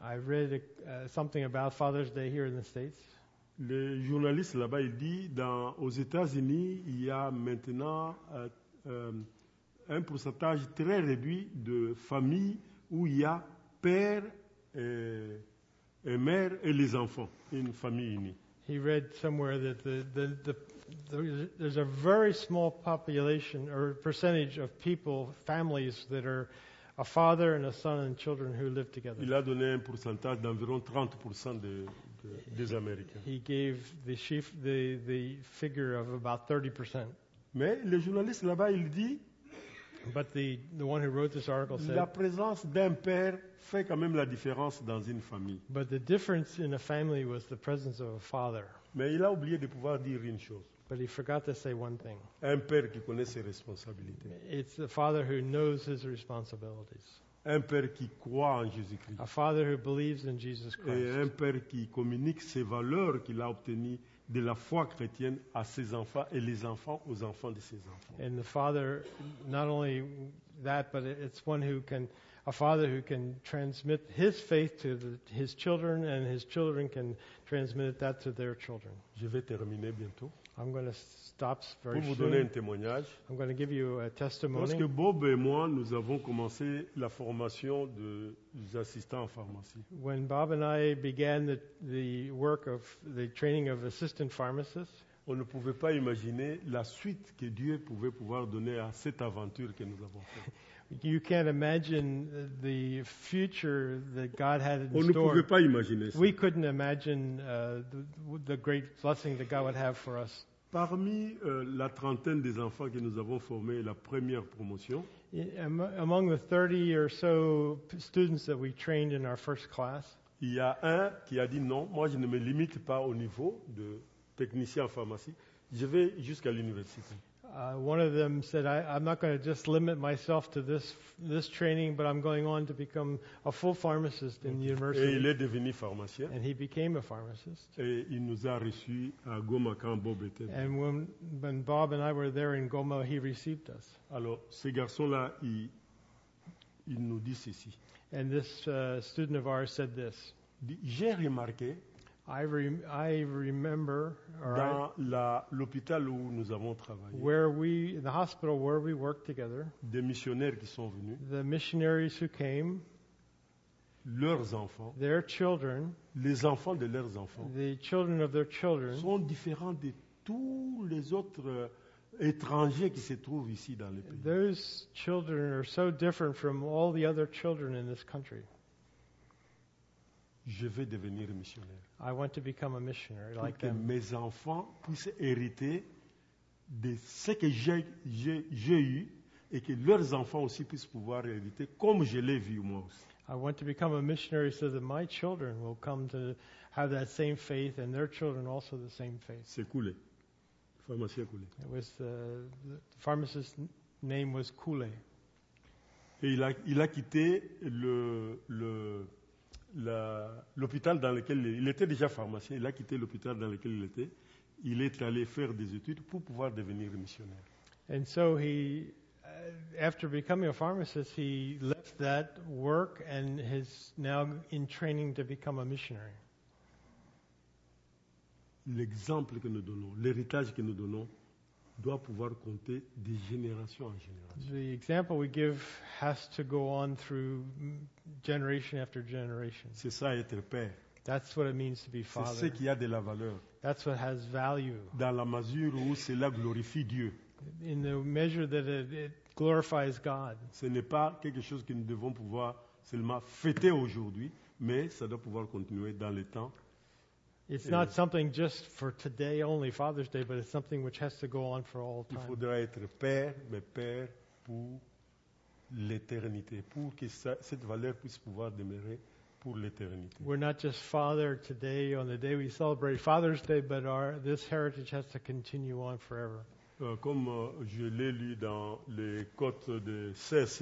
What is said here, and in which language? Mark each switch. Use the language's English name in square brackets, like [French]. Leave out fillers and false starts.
[English] I read something about Father's Day here in the States. [French] Le journaliste là-bas, il dit, aux États-Unis, il y a maintenant un pourcentage très réduit de familles où il y a père et mère et les enfants, une famille unie. [English] He read somewhere that there's a very small population or percentage of people, families that are a father and a son and children who live together. [French] Il a donné un pourcentage d'environ 30% des Américains. [English] He gave the figure of about 30%. [French] Mais le journaliste là-bas, il dit. [English] But the one who wrote this article said. [French] La présence d'un père fait quand même la différence dans une famille. [English] But the difference in a family was the presence of a father. [French] Mais il a oublié de pouvoir dire une chose. [English] But he forgot to say one thing. [French] Un père qui connaît ses responsabilités. [English] It's a father who knows his responsibilities. [French] Un père qui croit en Jésus-Christ. [English] A father who believes in Jesus Christ. [French] Et un père qui communique ses valeurs qu'il a obtenues de la foi chrétienne à ses enfants et les enfants aux enfants de ses enfants. [English] And the father, not only that, but it's one who can, a father who can transmit his faith to his children, and his children can transmit that to their children. [French] Je vais terminer bientôt. [English] I'm going to stop very soon. [French] Pour vous donner un témoignage. [English] I'm going to give you a testimony. [French] Lorsque Bob et moi, nous avons commencé la formation des assistants en pharmacie. [English] When Bob and I began the work of the training of assistant pharmacists. [French] On ne pouvait pas imaginer la suite que Dieu pouvait pouvoir donner à cette aventure que nous avons faite. [English] You can't imagine the future that God had in on store. [French] On ne pouvait pas imaginer ça. [English] We couldn't imagine the great blessing that God would have for us. [French] Parmi la trentaine des enfants que nous avons formés, la première promotion. [English] Among the 30 or so students that we trained in our first class. [French] Il y a un qui a dit non, moi je ne me limite pas au niveau de technicien en pharmacie, je vais jusqu'à l'université. [English] One of them said, I'm not going to just limit myself to this training, but I'm going on to become a full pharmacist in the university. [French] Et il est devenu pharmacien. [English] And he became a pharmacist. [French] Et il nous a reçus à Goma quand Bob était. [English] And when Bob and I were there in Goma, he received us. [French] Alors, ces garçons-là, ils nous disent ceci. [English] And this student of ours said this. [French] J'ai remarqué. [English] I remember [French] dans l'hôpital où nous avons travaillé, [English] in the hospital where we worked together, [French] des missionnaires qui sont venus, [English] the missionaries who came, [French] leurs enfants, [English] their children, [French] les enfants de leurs enfants, [English] the children of their children, [French] sont différents de tous les autres étrangers qui se trouvent ici dans le pays. [English] Those children are so different from all the other children in this country. [French] je veux devenir missionnaire. [English] I want to become a missionary [French] pour [English] like them. [French] Que mes enfants puissent hériter de ce que j'ai eu et que leurs enfants aussi puissent pouvoir hériter comme je l'ai vu moi aussi. [English] I want to become a missionary so that my children will come to have that same faith and their children also the same faith. [French] C'est Coulet. Pharmacien Coulet. [English] It was the pharmacist's name was Coulet. [French] Et il a quitté l'hôpital dans lequel il était déjà pharmacien. Il a quitté l'hôpital dans lequel il était. Il est allé faire des études pour pouvoir devenir missionnaire. [English] And so he, after becoming a pharmacist, he left that work and is now in training to become a missionary. [French] L'exemple que nous donnons, l'héritage que nous donnons, doit pouvoir compter de génération en génération. [English] The example we give has to go on through generation after generation. [French] C'est ça être père. [English] That's what it means to be father. [French] C'est ce qui a de la valeur. [English] That's what has value. [French] Dans la mesure où cela glorifie Dieu. [English] In the measure that it glorifies God. [French] Ce n'est pas quelque chose que nous devons pouvoir seulement fêter aujourd'hui, mais ça doit pouvoir continuer dans le temps. [English] It's not something just for today only, Father's Day, but it's something which has to go on for all time. [French] Il faudra être père, mais père pour l'éternité, pour que cette valeur puisse pouvoir demeurer pour l'éternité. [English] We're not just father today on the day we celebrate Father's Day, but this heritage has to continue on forever. [French] Comme je l'ai lu dans les quotes de C.S.